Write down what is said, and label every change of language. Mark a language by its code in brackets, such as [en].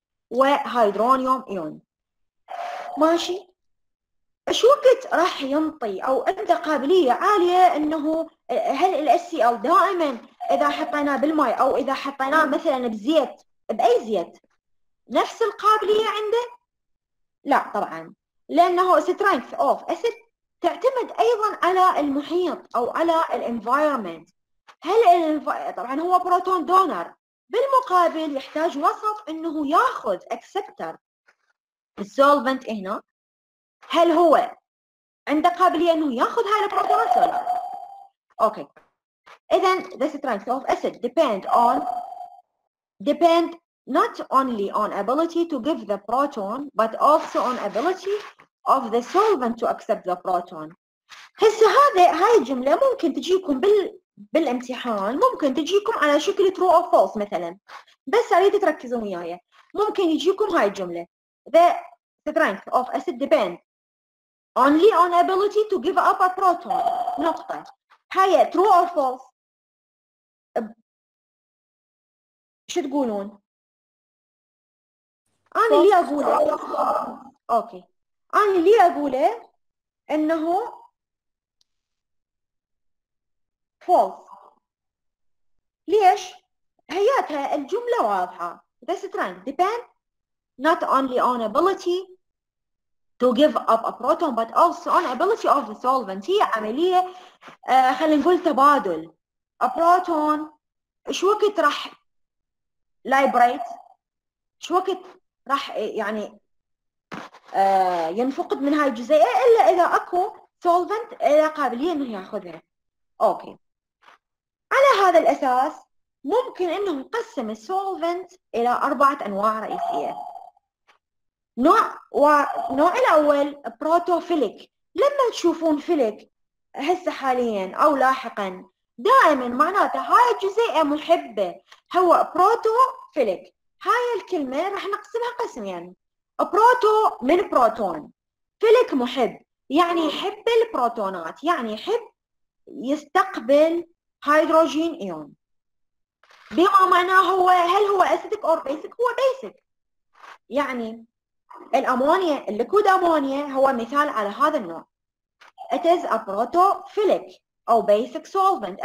[ar] وهيدرونيوم ايون. ماشي، ايش وقت راح ينطي او عنده قابليه عاليه انه، هل الاس سي ال دائما اذا حطيناه بالماء او اذا حطيناه مثلا بزيت، باي زيت، نفس القابليه عنده؟ لا طبعا، لانه سترينث اوف اسيد تعتمد ايضا على المحيط او على الانفايرمنت. هل طبعا هو بروتون دونر، بالمقابل يحتاج وسط انه ياخذ اكسبتر السولفنت هنا. هل هو عنده قابليه انه ياخذ هاي البروتونات ولا لا؟ اوكي، اذا [en] this strength of acid depend not only on ability to give the proton but also on ability of the solvent to accept the proton. [ar] هسه هاي الجمله ممكن تجيكم بالامتحان، ممكن تجيكم على شكل [en] true or false [ar] مثلا، بس اريد تركزوا وياي. ممكن يجيكم هاي الجمله: [en] The strength of acid depends only on ability to give up a proton. [ar] نقطة. هاي [en] true or false؟ [ar] شو تقولون؟ انا اللي اقوله، اوكي، انا اللي اقوله انه false. ليش؟ هياتها الجملة واضحة. [en] This strength depends not only on ability to give up a proton but also on ability of the solvent. [ar] هي عملية خلينا نقول تبادل. A proton شو وقت راح liberate؟ شو وقت راح يعني ينفقد من هاي الجزيئة؟ إلا إذا أكو solvent إلى قابلية إنه ياخذها. أوكي. على هذا الأساس ممكن أنه نقسم السولفنت إلى أربعة أنواع رئيسية. نوع الأول بروتوفيليك. لما تشوفون فيليك هسه حالياً أو لاحقاً، دائماً معناته هاي الجزيئة محبة، هو بروتوفيليك. هاي الكلمة راح نقسمها قسمين، بروتو من بروتون، فيليك محب، يعني يحب البروتونات، يعني يحب يستقبل هيدروجين ايون. بما معناه هو، هل هو اسيدك اور بيسك؟ هو بيسك، يعني الامونيا، الليكويد امونيا هو مثال على هذا النوع. [en] It is a protophilic [ar] او [en] basic solvent.